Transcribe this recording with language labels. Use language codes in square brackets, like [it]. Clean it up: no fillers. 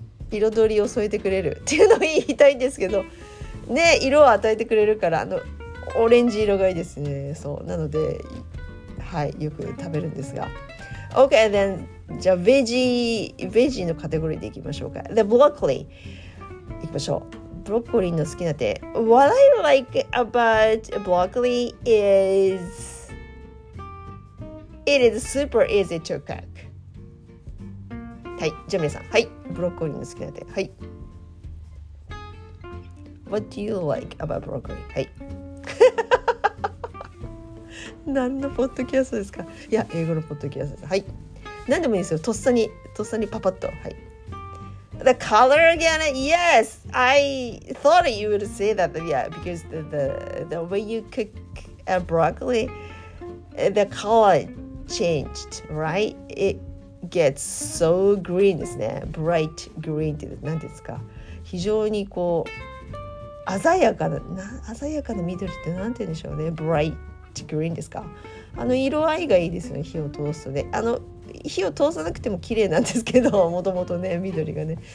[ja] 彩りを添えてくれるっていうのを言いたいんですけどね、色を与えてくれるから、あのオレンジ色がいいですね。そうなので、はい、よく食べるんですが。 [en] OK then、 [ja] じゃあベジのカテゴリーでいきましょうか。 [en] The broccoli [ja] いきましょう。ブロッコリーの好きな点。 [en] What I like about broccoli is it is super easy to cook。 [ja] はい、じゃあ皆さん、はい、ブロッコリーの好きな点、はい。 [en] What do you like about broccoli? はい。 [ja] 何のポッドキャストですか。いや、英語のポッドキャストです。はい。何でもいいですよ。とっさにパパッと。はい。 [en] The color again? Yes! I thought you would say that, yeah, because the way you cook a broccoli, the color changed, right? ItGets so green [ja] ですね。 [en] Bright green [ja] って何ですか。非常にこう鮮やかな、鮮やかな緑って何て言うんでしょうね。 [en] Bright green [ja] ですか。あの色合いがいいですよね。火を通すとね、あの火を通さなくても綺麗なんですけど、もともとね緑がね。